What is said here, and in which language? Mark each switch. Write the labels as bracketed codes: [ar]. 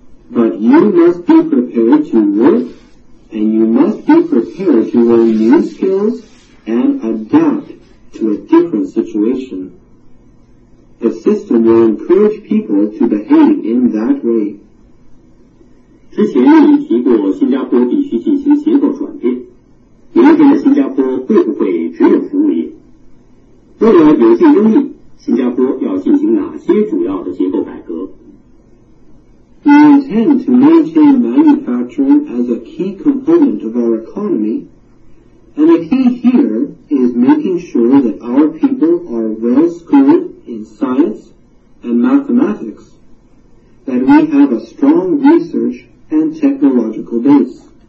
[en] But you must be prepared to work, and you must be prepared to learn new skills and adapt to a different situation. The system will encourage people to behave in that way. [zh] 之前你提过新加坡必须进行结构转变，明天的新加坡会不会只有服务业？为了有竞争力，新加坡要进行哪些主要的结构改革？ [en] We intend to maintain manufacturing as a key component of our economy, and the key here is making sure that our people are well schooled in science and mathematics, that we have a strong researchand technological base.